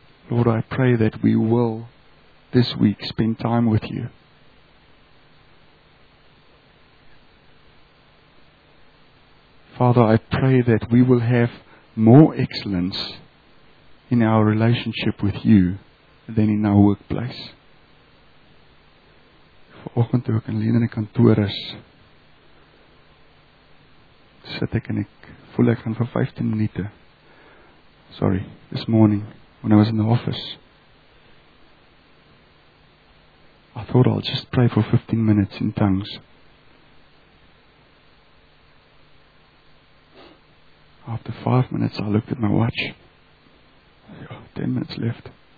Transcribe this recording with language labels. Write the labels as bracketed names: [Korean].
[English] Lord, I pray that we will this week spend time with you. Father, I pray that we will have more excellence in our relationship with you than in our workplace. [Afrikaans] Vanoggend toe ek alleen in die kantoor is, sit ek en ek voel ek gaan vir 15 minute. [English] Sorry, this morning when I was in the office, I thought I'll just pray for 15 minutes in tongues. After 5 minutes, I looked at my watch. 10 minutes left.